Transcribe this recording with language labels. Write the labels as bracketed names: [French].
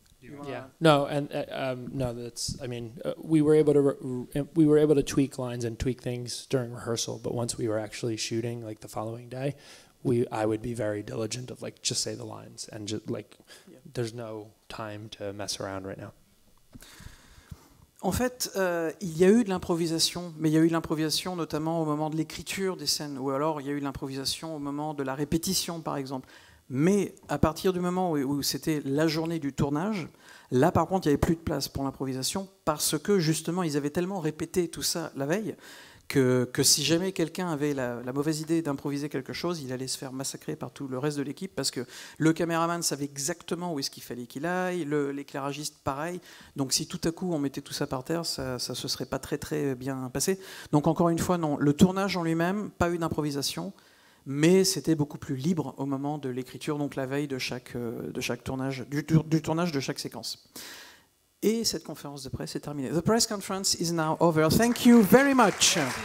[English] We were able to tweak lines and tweak things during rehearsal, but once we were actually shooting, like the following day, I would be very diligent of like just say the lines, and just like there's no time to mess around right now. [French] En fait, il y a eu de l'improvisation, mais il y a eu de l'improvisation notamment au moment de l'écriture des scènes, ou alors il y a eu de l'improvisation au moment de la répétition, par exemple. Mais à partir du moment où c'était la journée du tournage, là, par contre, il n'y avait plus de place pour l'improvisation, parce que, justement, ils avaient tellement répété tout ça la veille que si jamais quelqu'un avait la mauvaise idée d'improviser quelque chose, il allait se faire massacrer par tout le reste de l'équipe, parce que le caméraman savait exactement où est-ce qu'il fallait qu'il aille, l'éclairagiste pareil. Donc si tout à coup on mettait tout ça par terre, ça se serait pas très très bien passé. Donc encore une fois, non, le tournage en lui-même, pas eu d'improvisation, mais c'était beaucoup plus libre au moment de l'écriture, donc la veille du tournage de chaque séquence. Et cette conférence de presse est terminée. [English] The press conference is now over. Thank you very much.